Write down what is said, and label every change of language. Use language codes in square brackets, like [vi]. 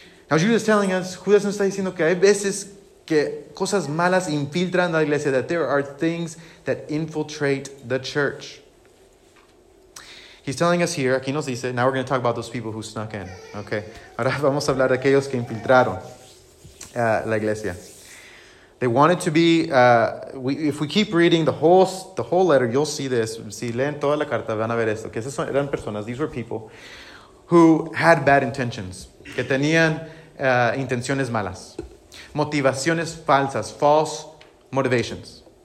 [en] Now Judas is telling us, [es] Judas nos está diciendo que hay veces que cosas malas infiltran la iglesia, [en] that there are things that infiltrate the church. He's telling us here, [es] aquí nos dice, [en] now we're going to talk about those people who snuck in, okay? [es] Ahora vamos a hablar de aquellos que infiltraron la iglesia. [en] They wanted to be, if we keep reading the whole letter, you'll see this. [es] Si leen toda la carta, van a ver esto. Que esas eran personas, [en] these were people who had bad intentions. [es] Que tenían intenciones malas. Motivaciones falsas, [en] false motivations.